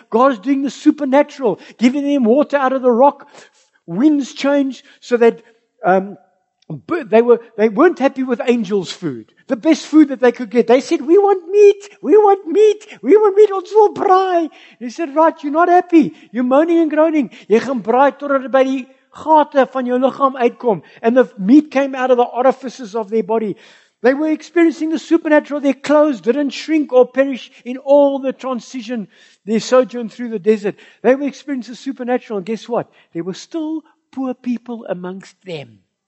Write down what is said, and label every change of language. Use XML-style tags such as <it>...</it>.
<en>God is doing the supernatural, giving them water out of the rock. Winds change so that they weren't happy with angels' food, the best food that they could get. They said, we want meat, we want meat, we want meat,</en> <af>ons wil braai.</af> <en>He said, right, you're not happy, you're moaning and groaning.</en> <af>Jy gaan braai totdat by die gate van jou liggaam uitkom.</af> <en>And the meat came out of the orifices of their body. They were experiencing the supernatural. Their clothes didn't shrink or perish in all the transition, their sojourn through the desert. They were experiencing the supernatural. And guess what? There were still poor people amongst them.</en>